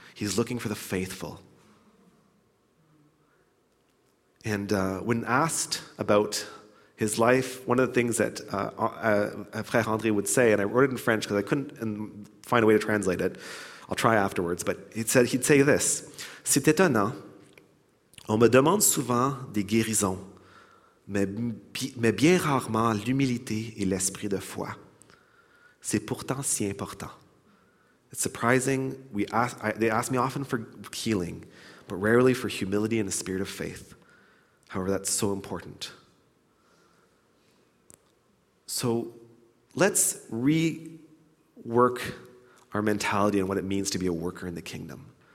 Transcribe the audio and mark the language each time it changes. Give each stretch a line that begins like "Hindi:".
English: He's looking for the faithful. And when asked about his life, one of the things that Frère André would say, and I wrote it in French because I couldn't find a way to translate it, I'll try afterwards, but he'd say this.
French: C'est étonnant. On me demande souvent des guérisons, mais bien rarement l'humilité et l'esprit de foi. C'est pourtant si important.
English: It's surprising. They ask me often for healing, but rarely for humility and the spirit of faith. However, that's so important. So let's rework our mentality and what it means to be a worker in the kingdom.